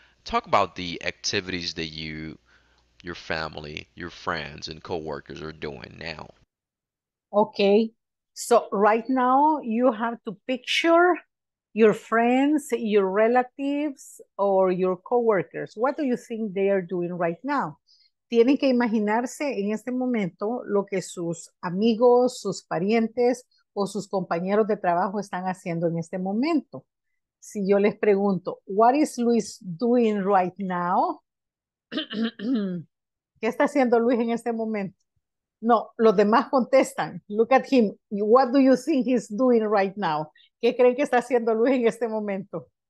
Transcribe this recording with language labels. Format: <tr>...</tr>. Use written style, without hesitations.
<en>Talk about the activities that you, your family, your friends, and coworkers are doing now. Okay, so right now you have to picture your friends, your relatives, or your coworkers. What do you think they are doing right now?</en> <es>Tienen que imaginarse en este momento lo que sus amigos, sus parientes, o sus compañeros de trabajo están haciendo en este momento. Si yo les pregunto,</es> <en>what is Luis doing right now?</en> <es>¿Qué está haciendo Luis en este momento? No, los demás contestan.</es> <en>Look at him. What do you think he's doing right now?</en> <es>¿Qué creen que está haciendo Luis en este momento?</es>